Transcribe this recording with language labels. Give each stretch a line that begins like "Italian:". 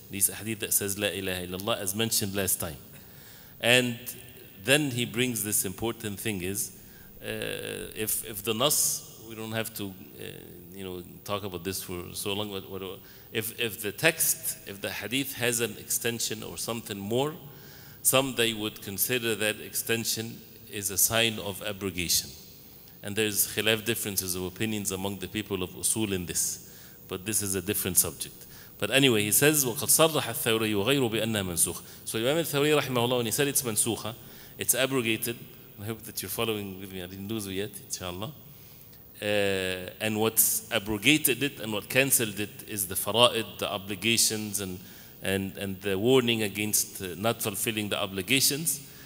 English: These ahadith that says La ilaha illallah, as mentioned last time. And then he brings this important thing is, if the nas, we don't have to talk about this for so long, but if the text, if the hadith has an extension or something more, some they would consider that extension is a sign of abrogation. And there's khilaf, differences of opinions among the people of usul in this. But this is a different subject. But anyway, he says,
Arabic: وَقَدْ صَرَّحَ الثَّوْرَيُّ وَغَيْرُ بِأَنَّهَا مَنْسُوخَ.
English: So Imam al-Thawri رحمه الله, when he said it's mansukha, it's abrogated. I hope that you're following with me. I didn't lose it yet, inshallah. And what's abrogated it and what cancelled it is the fara'id, the obligations, and the warning against not fulfilling the obligations.